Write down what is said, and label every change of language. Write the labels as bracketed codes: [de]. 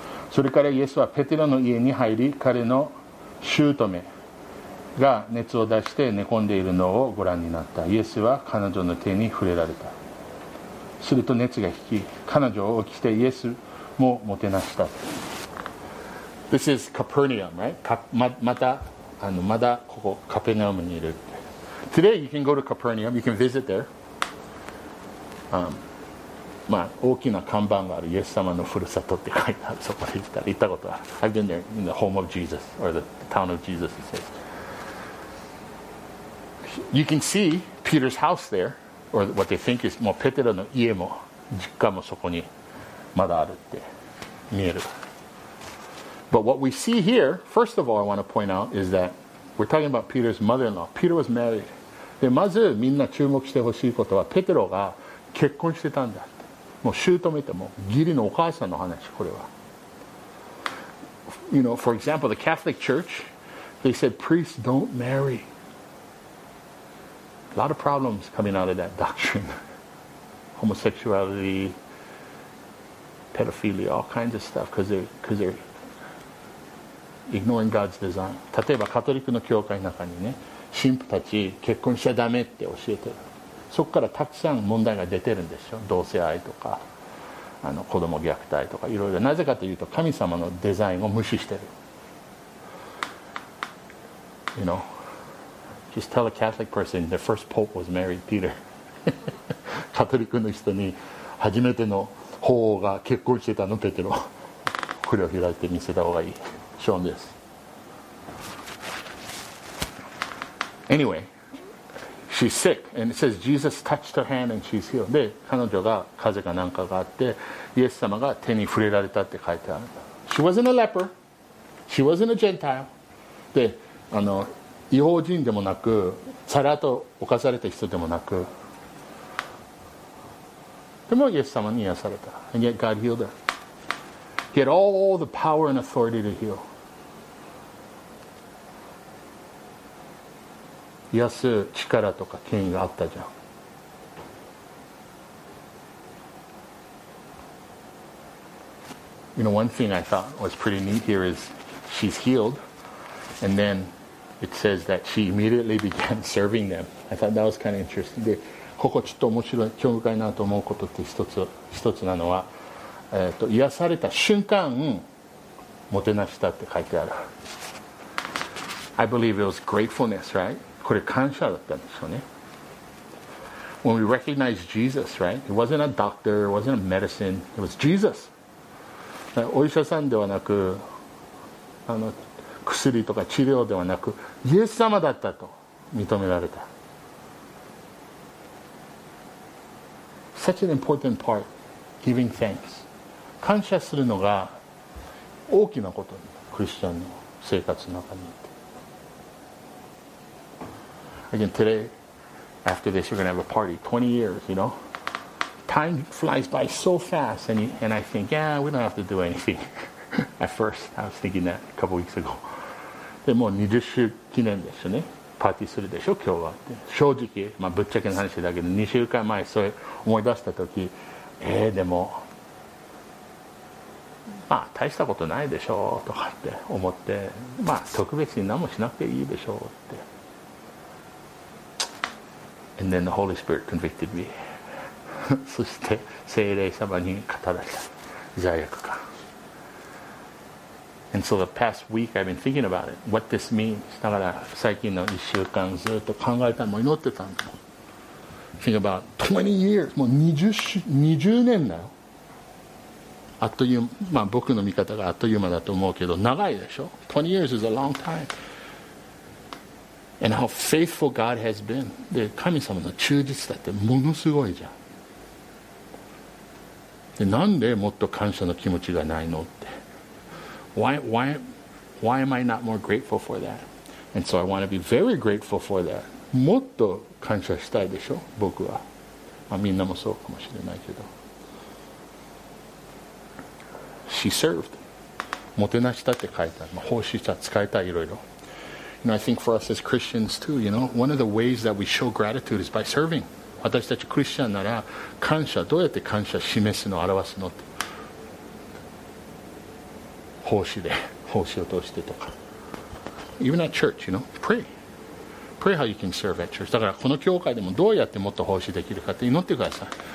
[ja] それからイエスはペテロの家に入り、彼の姑が熱を出して寝込んでいるのをご覧になった。イエスは彼女の手に触れられた。すると熱が引き、彼女を起きてイエスももてなした。 [en] This is Capernaum, right? [ja] まだここカペナウムにいる。 [en] Today you can go to Capernaum, you can visit there. [ja] まあ大きな看板があるイエス様のふるさとって書いてある。そこに行ったことは。 [en] I've been there in the home of Jesus or the town of Jesus, it says. You can see Peter's house there, or what they think is [ja] もうペテロの家も実家もそこにまだあるって見える。 [en] But what we see here, first of all, I want to point out is that we're talking about Peter's mother-in-law. Peter was married. [ja] でまずみんな注目してほしいことはペテロが結婚してたんだって。もう姑ともギリのお母さんの話これは。 [en] You know, for example, the Catholic Church, they said priests don't marry. A lot of problems coming out of that doctrine. Homosexuality, pedophilia, all kinds of stuff, because they're ignoring God's design. [ja] 例えばカトリックの教会の中にね、神父たち結婚しちゃダメって教えてる。そこからたくさん問題が出てるんですよ。同性愛とか、子供虐待とかいろいろ。なぜかというと神様のデザインを無視してる。 [en] You know? Just tell a Catholic person the first pope was married, Peter. [ja] カトリックの人に初めての法王が結婚してたの、ペテロ。これを開いて見せた方がいい。ショーンです。 [en] Anyway, she's sick. And it says Jesus touched her hand and she's healed. [ja] で、彼女が風邪かなんかがあって、イエス様が手に触れられたって書いてある。 [en] She wasn't a leper. She wasn't a Gentile. [ja] で、異邦人でもなく、サラと侵された人でもなく、でもイエス様に癒された。 [en] And yet God healed her. He had all the power and authority to heal. [ja] 癒す力とか権威があったじゃん。 [en] You know, one thing I thought was pretty neat here is she's healed, and then. It says that she immediately began serving them. I thought that was kind of interesting. [ja] で、ここちょっと面白い、興味深いなと思うことって一つなのは、癒された瞬間、もてなしたって書いてある。 [en] I believe it was gratefulness, right? [ja] これ感謝だったんでしょうね。 [en] when we recognize Jesus, right? It wasn't a doctor, it wasn't a medicine, it was Jesus. [ja] お医者さんではなく、あの薬とか治療ではなく、イエス様だったと認められた。 [en] Such an important part, giving thanks. [ja] 感謝するのが大きなこと、クリスチャンの生活の中に。 [en] Again, today, after this, we're going to have a party. 20 years, you know. Time flies by so fast. And I think, yeah, we don't have to do anything. At first, I was thinking that a couple weeks ago. [ja] でも20周記念でしょね。パーティーするでしょ、今日は。正直、まあ、ぶっちゃけの話だけど、2週間前、それ思い出したとき、でも、まあ、大したことないでしょうとかって思って、まあ、特別に何もしなくていいでしょうって。 [en] And then the Holy Spirit convicted me. [ja] そして聖霊様に語られた罪悪感。 [en] And so the past week I've been thinking about it. What this means. [ja] だから最近の1週間ずっと考えたも祈ってたの。 [en] Think about 20 years. [ja] もう 20年だよ。あっという間、まあ僕の見方があっという間だと思うけど、長いでしょ。 [en] 20 years is a long time. And how faithful God has been. [ja] で、神様の忠実だってものすごいじゃん。で、なんでもっと感謝の気持ちがないのって。 [en] Why am I not more grateful for that? And so I want to be very grateful for that. [ja] もっと感謝したいでしょ、僕は。まあ、みんなもそうかもしれないけど。 [en] She served. [ja] もてなしたって書いてある。まあ、奉仕した、使いたい、いろいろ。 [en] And you know, I think for us as Christians too, you know, one of the ways that we show gratitude is by serving. [ja] 私たちクリスチャンなら感謝、どうやって感謝示すの、表すのって。奉仕で、奉仕を通してとか。 [en] Even at church, you know, pray. Pray how you can serve at church. [ja] だからこの教会でもどうやってもっと奉仕できるかって祈ってください。